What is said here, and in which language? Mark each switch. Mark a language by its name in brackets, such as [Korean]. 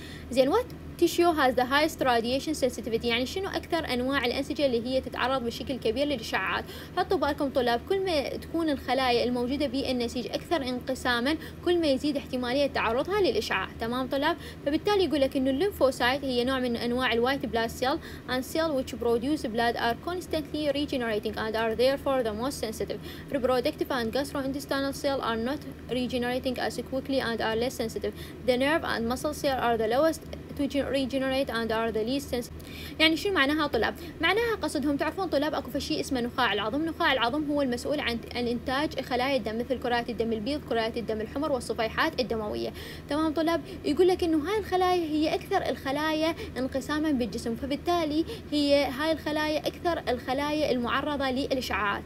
[Arabic] زين، [English] what tissue has the highest radiation sensitivity؟ [Arabic] يعني شنو اكثر انواع الانسجة اللي هي تتعرض بشكل كبير للاشعاعات؟ حطوا بالكم طلاب، كل ما تكون الخلايا الموجودة بالنسيج اكثر انقساما كل ما يزيد احتمالية تعرضها للاشعاع، تمام طلاب؟ فبالتالي يقول لك انه الليمفوسايت هي نوع من انواع الوايت بلاد سيل [English] and cell which produce blood are constantly regenerating and are therefore the most sensitive. Reproductive and gastrointestinal cell are not regenerating as quickly and are less sensitive. The nerve and muscle cell are the lowest to regenerate and are the least sensitive. [Arabic] يعني شو معناها طلاب؟ معناها قصدهم تعرفون طلاب اكو فشي اسمه نخاع العظم. نخاع العظم هو المسؤول عن انتاج خلايا الدم مثل كرات الدم البيض، كرات الدم الحمر والصفيحات الدمويه. تمام طلاب، يقول لك انه هاي الخلايا هي اكثر الخلايا انقساما بالجسم، فبالتالي هي هاي الخلايا اكثر الخلايا المعرضه للاشعاعات.